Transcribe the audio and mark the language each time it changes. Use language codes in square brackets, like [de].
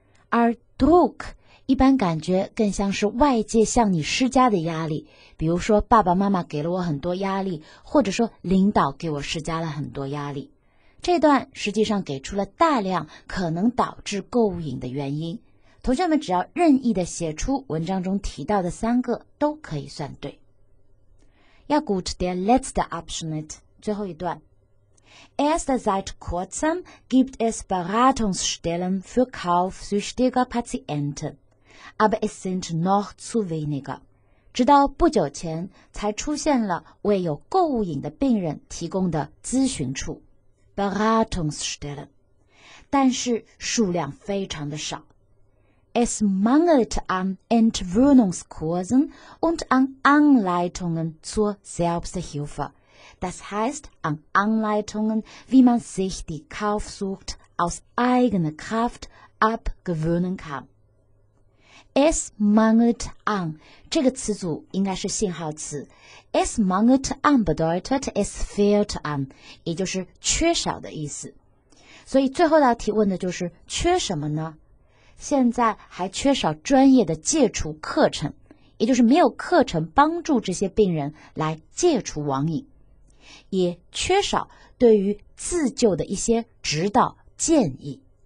[zh] 而 Druck, 一般感觉更像是外界向你施加的压力，比如说爸爸妈妈给了我很多压力，或者说领导给我施加了很多压力。这段实际上给出了大量可能导致购物瘾的原因。同学们只要任意的写出文章中提到的三个都可以算对。 [de] Ja gut, der letzte Abschnitt, [zh] 最后一段。 [de] Erst seit kurzem gibt es Beratungsstellen für kaufsüchtige Patienten, aber es sind noch zu wenige. [zh] 直到不久前才出现了为有购物瘾的病人提供的咨询处。 [de] Beratungsstellen, [zh] 但是数量非常的少。 [de] Es mangelt an Entwöhnungskursen und an Anleitungen zur Selbsthilfe. Das heißt, an Anleitungen, wie man sich die Kaufsucht aus eigener Kraft abgewöhnen kann. Es mangelt an, [zh] 这个词组应该是信号词。 [de] Es mangelt an bedeutet, es fehlt an, [zh] 也就是缺少的意思。所以最后道题问的就是缺什么呢？现在还缺少专业的戒除课程，也就是没有课程帮助这些病人来戒除网瘾，也缺少对于自救的一些指导建议。